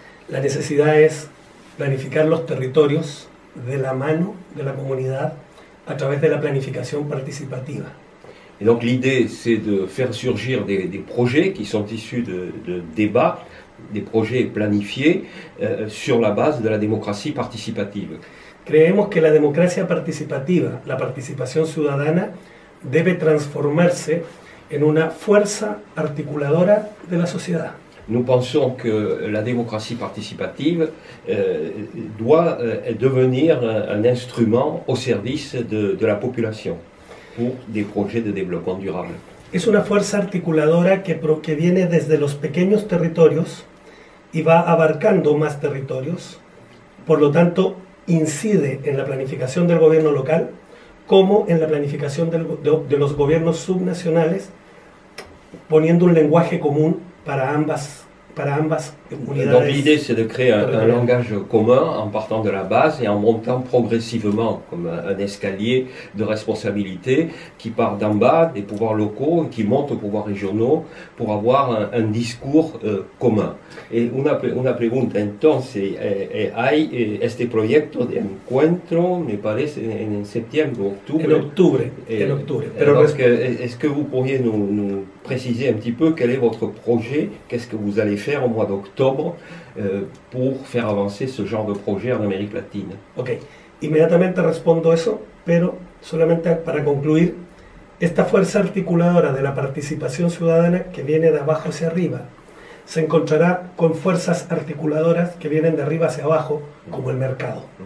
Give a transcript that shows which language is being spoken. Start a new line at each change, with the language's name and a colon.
French: La nécessité est de planifier les territoires de la main de la communauté à travers de la planification participative. Et donc l'idée c'est de faire surgir des projets qui sont issus de débats, des projets planifiés sur la base de la démocratie participative.
Spanish: Creemos que la democracia participativa, la participación ciudadana, debe transformarse en una fuerza articuladora de la sociedad.
French: Nous pensons que la démocratie participative doit devenir un instrument au service de la population pour des projets de développement durable.
Spanish: Es una fuerza articuladora que viene desde los pequeños territorios y va abarcando más territorios, por lo tanto, incide en la planificación del gobierno local como en la planificación de los gobiernos subnacionales, poniendo un lenguaje común para ambas unidades.
French: Donc l'idée c'est de créer un langage commun en partant de la base et en montant progressivement comme un escalier de responsabilité qui part d'en bas des pouvoirs locaux et qui monte aux pouvoirs régionaux pour avoir un discours commun.
Spanish: Et una pregunta entonces, ¿hay este proyecto de encuentro, me parece, en septiembre ou octubre? En octubre.
French: Est-ce que vous pourriez nous préciser un petit peu quel est votre projet, qu'est-ce que vous allez faire au mois d'octobre pour faire avancer ce genre de projet en Amérique latine?
Spanish: Ok,
French: immédiatement
Spanish: respondo eso, pero solamente para concluir, esta fuerza articuladora de la participación ciudadana que viene de abajo hacia arriba se encontrará con fuerzas articuladoras que vienen de arriba hacia abajo, como el mercado.